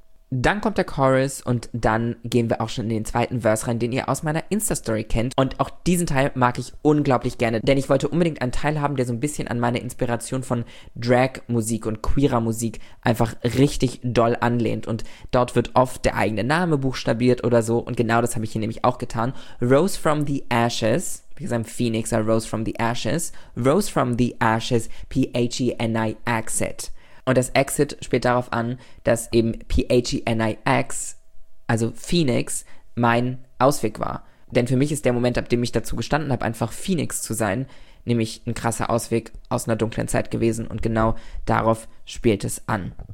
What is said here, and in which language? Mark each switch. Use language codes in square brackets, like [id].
[de] Dann kommt der Chorus und dann gehen wir auch schon in den zweiten Verse rein, den ihr aus meiner Insta-Story kennt. Und auch diesen Teil mag ich unglaublich gerne, denn ich wollte unbedingt einen Teil haben, der so ein bisschen an meine Inspiration von Drag-Musik und queerer Musik einfach richtig doll anlehnt. Und dort wird oft der eigene Name buchstabiert oder so und genau das habe ich hier nämlich auch getan. [en] Rose from the Ashes, because I'm Phoenix, I rose from the ashes. Rose from the ashes, P-H-E-N-I-Exit. [de] Und das Exit spielt darauf an, dass eben P-H-E-N-I-X, also Phoenix, mein Ausweg war. Denn für mich ist der Moment, ab dem ich dazu gestanden habe, einfach Phoenix zu sein, nämlich ein krasser Ausweg aus einer dunklen Zeit gewesen und genau darauf spielt es an.